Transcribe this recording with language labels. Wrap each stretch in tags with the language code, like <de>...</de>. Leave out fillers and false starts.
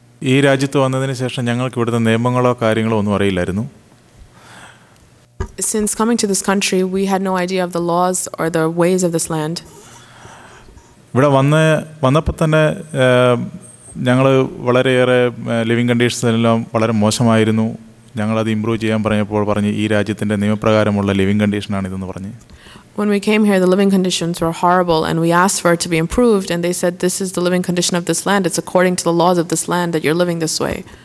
<ml>ഈ രാജ്യത്ത് വന്നതിന് ശേഷം ഞങ്ങൾക്ക് ഇവിടുത്തെ നിയമങ്ങളോ കാര്യങ്ങളോ ഒന്നും അറിയില്ലായിരുന്നു.</ml> <en>Since coming to this country, we had no idea of the laws or the ways of this land.</en> <ml>ഇവിടെ വന്നപ്പോൾ തന്നെ ഞങ്ങൾ വളരെയേറെ ലിവിങ് കണ്ടീഷൻസ് എല്ലാം വളരെ മോശമായിരുന്നു. ഞങ്ങളത് ഇമ്പ്രൂവ് ചെയ്യാൻ പറഞ്ഞപ്പോൾ പറഞ്ഞ് ഈ രാജ്യത്തിൻ്റെ നിയമപ്രകാരമുള്ള ലിവിങ് കണ്ടീഷനാണ് ഇതെന്ന് പറഞ്ഞ്.</ml> <en>When we came here, the living conditions were horrible, and we asked for it to be improved, and they said, this is the living condition of this land. It's according to the laws of this land that you're living this way.</en>